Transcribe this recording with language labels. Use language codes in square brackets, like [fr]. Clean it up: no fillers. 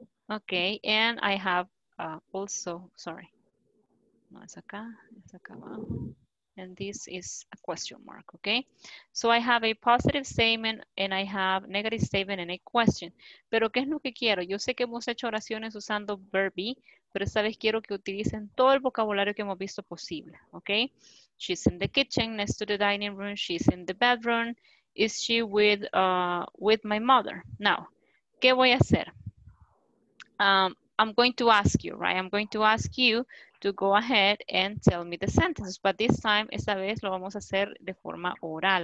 [en] Okay, and I have also, sorry. [es] No, es acá abajo. [en] And this is a question mark, okay? So I have a positive statement and I have negative statement and a question. [es] Pero ¿qué es lo que quiero? Yo sé que hemos hecho oraciones usando verb, pero esta vez quiero que utilicen todo el vocabulario que hemos visto posible, okay? [en] She's in the kitchen next to the dining room. She's in the bedroom. Is she with my mother? Now, [es] ¿qué voy a hacer? [en] I'm going to ask you, right? I'm going to ask you to go ahead and tell me the sentence. But this time, [es] esta vez lo vamos a hacer de forma oral.